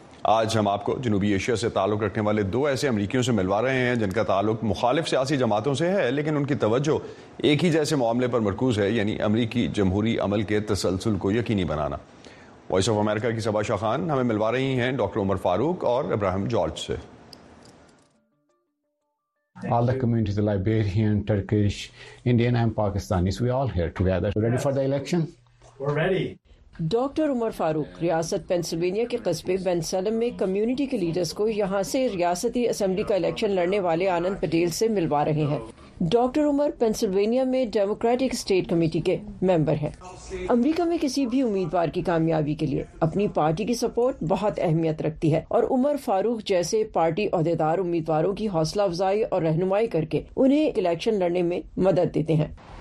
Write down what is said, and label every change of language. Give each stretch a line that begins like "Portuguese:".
Urdu: آج ہم آپ کو جنوبی ایشیا سے تعلق رکھنے والے دو ایسے امریکیوں سے ملوا رہے ہیں جن کا تعلق مخالف سیاسی جماعتوں سے ہے, لیکن ان کی توجہ ایک ہی جیسے معاملے پر مرکوز ہے, یعنی امریکی جمہوری عمل کے تسلسل کو یقینی بنانا. وائس آف امریکہ کی سبا شاہ خان ہمیں ملوا رہی ہیں ڈاکٹر عمر فاروق اور ابراہیم جارج سے.
English: All the community, the Liberian, Turkish, Indian and Pakistanis, we all here together. Ready for the election? We're ready.
Urdu: Doctor عمر فاروق, ریاست پینسلوینیا کے قصبے بن سلم میں کمیونٹی کے لیڈرز کو یہاں سے ریاستی اسمبلی کا الیکشن لڑنے والے آنند پٹیل سے ملوا رہے ہیں. ڈاکٹر عمر پینسلوینیا میں ڈیموکریٹک اسٹیٹ کمیٹی کے ممبر ہیں. امریکہ میں کسی بھی امیدوار کی کامیابی کے لیے اپنی پارٹی کی سپورٹ بہت اہمیت رکھتی ہے, اور عمر فاروق جیسے پارٹی عہدیدار امیدواروں کی حوصلہ افزائی اور رہنمائی کر کے انہیں الیکشن لڑنے میں مدد دیتے ہیں.